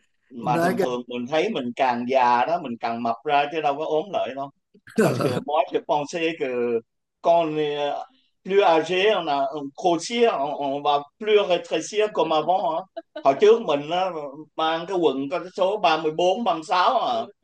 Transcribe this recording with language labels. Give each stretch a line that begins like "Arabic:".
Vietnamese: Mà thường thường mình thấy mình càng già đó mình càng mập ra chứ đâu có ốm lại đâu.
French: Parce que moi je pensais que quand plus âgé on a grossir, on va plus rétrécir comme avant.
Vietnamese: Hồi trước mình mang cái quần có số 34, 36 à.